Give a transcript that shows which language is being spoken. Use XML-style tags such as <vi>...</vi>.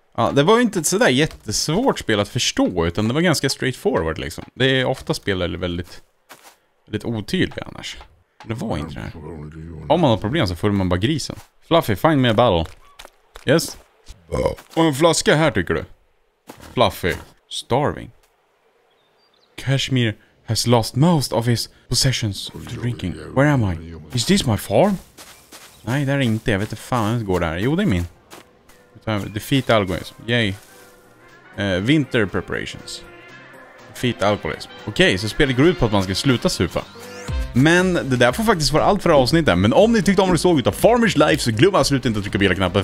<sv>Ja, det var ju inte ett sådär jättesvårt spel att förstå, utan det var ganska straightforward liksom. Det är ofta spel väldigt, väldigt otydliga annars. Det var inte det här. Om man har problem så får man bara grisen. Fluffy,</sv> <en>find me a battle.</en> <sv>Yes. Och en flaska här tycker du?</sv> <en>Fluffy. Starving. Kashmir has lost most of his possessions of drinking. Where am I? Is this my farm?</en> <sv>Nej, det är inte. Jag vet inte fan hur det går där. Jo, det är min.</sv> <en>Defeat alcoholism. Yay. Winter preparations. Defeat alcoholism.</en> <sv>Okej, okay, så spelet går ut på att man ska sluta supa. Men det där får faktiskt vara allt för avsnittet. Men om ni tyckte om det såg ut av Farmers Life, så glöm absolut inte att trycka på hela knappen.</sv>